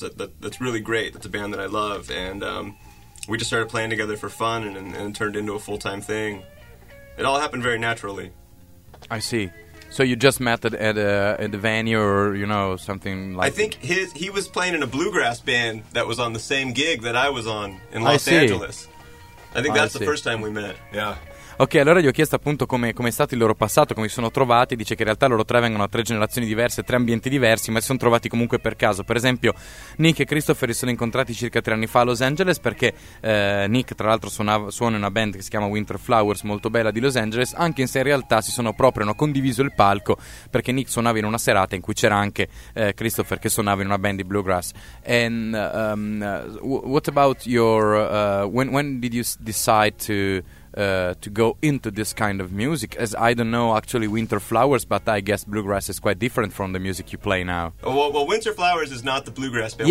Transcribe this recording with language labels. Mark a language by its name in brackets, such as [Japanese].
[English] That's really great. That's a band that I love. And we just started playing together for fun and turned into a full-time thing. It all happened very naturally. I see. So you just met at a venue or, you know, something like... I think he was playing in a bluegrass band that was on the same gig that I was on in Los Angeles. I think that's the first time we met, yeah. [Italian] Ok, allora gli ho chiesto appunto come è stato il loro passato, come si sono trovati. Dice che in realtà loro tre vengono da tre generazioni diverse, tre ambienti diversi, ma si sono trovati comunque per caso. Per esempio, Nick e Christopher si sono incontrati circa 3 anni fa a Los Angeles, perché Nick, tra l'altro, suona in una band che si chiama Winter Flowers, molto bella, di Los Angeles, anche se in realtà hanno condiviso il palco, perché Nick suonava in una serata in cui c'era anche Christopher, che suonava in una band di bluegrass. [English] And what about your when did you decide to go into this kind of music, as I don't know actually Winter Flowers, but I guess bluegrass is quite different from the music you play now. Well, Winter Flowers is not the bluegrass band.